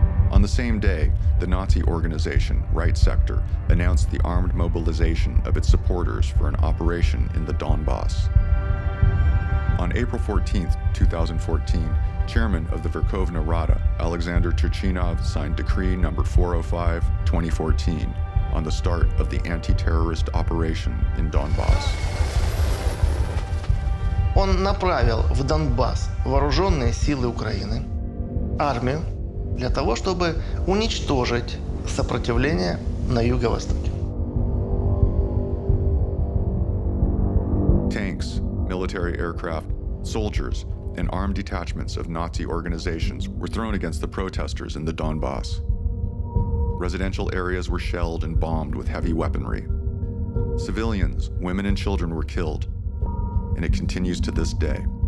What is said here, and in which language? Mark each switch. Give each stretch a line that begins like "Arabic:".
English: On the same day, the Nazi organization, Right Sector, announced the armed mobilization of its supporters for an operation in the Donbas. On April 14, 2014, chairman of the Verkhovna Rada, Alexander Turchynov, signed decree number 405-2014 on the start of the anti-terrorist operation in Donbas.
Russian: Он направил в Донбас вооруженные силы Украины, армию, для того, чтобы уничтожить сопротивление на юго-востоке.
English: Tanks, military aircraft, soldiers, and armed detachments of Nazi organizations were thrown against the protesters in the Donbas. Residential areas were shelled and bombed with heavy weaponry. Civilians, women, and children were killed, and it continues to this day.